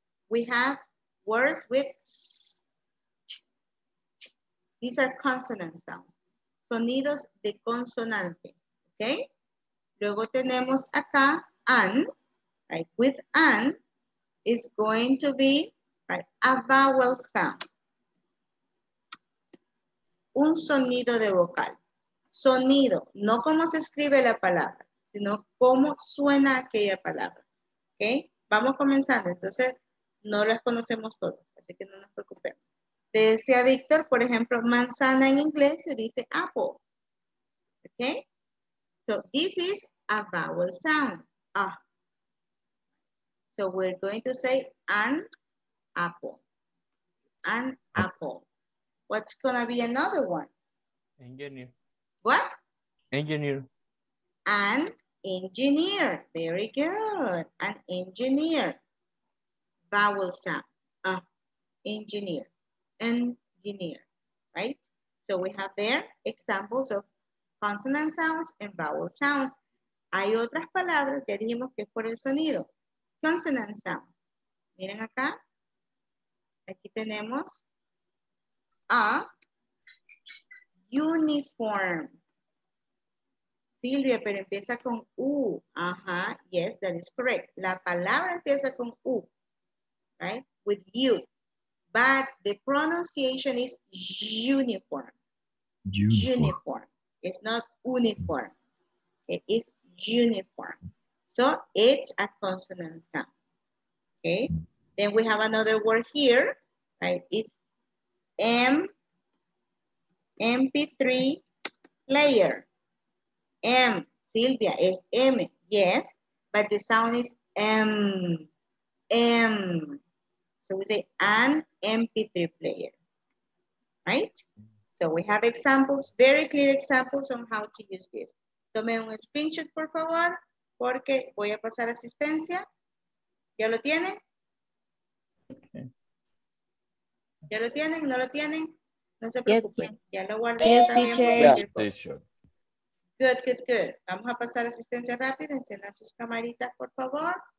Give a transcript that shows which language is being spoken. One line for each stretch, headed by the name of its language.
English: We have words with these are consonant sounds,
Spanish: sonidos de consonante,
English: okay?
Spanish: Luego tenemos acá,
English: an, right? With an, is going to be, right, a vowel sound.
Spanish: Un sonido de vocal. Sonido, no como se escribe la palabra, sino cómo suena aquella palabra, okay? Vamos comenzando, entonces, no las conocemos todas, así que no nos preocupemos. Le decía Víctor, por ejemplo, manzana en inglés se dice apple.
English: Okay? So this is a vowel sound. Ah. So we're going to say an apple. An apple. What's going to be another one? Engineer. What? Engineer. An engineer. Very good. An engineer. Vowel sound. Ah. Engineer. Engineer, right? So we have there examples of consonant sounds and vowel sounds.
Spanish: Hay otras palabras que dijimos que es por el sonido.
English: Consonant sound.
Spanish: Miren acá. Aquí tenemos a uniform. Silvia, pero empieza con U. Ajá,
English: yes, that is correct.
Spanish: La palabra empieza con U, right?
English: With U. But the pronunciation is uniform. Uniform. Uniform. It's not uniform. It is uniform. So it's a consonant sound. Okay. Then we have another word here, right? It's MP3 player. M, Silvia, is M, yes. But the sound is M. M. So we say an MP3 player, right? So we have examples, very clear examples on how to use this.
Spanish: Tome un screenshot, por favor, porque voy a pasar asistencia. ¿Ya lo tienen? Okay. ¿Ya lo tienen? ¿No lo tienen? No se preocupen. Ya lo guardé.
English: Yes, teacher. Good, good, good.
Spanish: Vamos a pasar asistencia rápido. Encienda sus camaritas, por favor.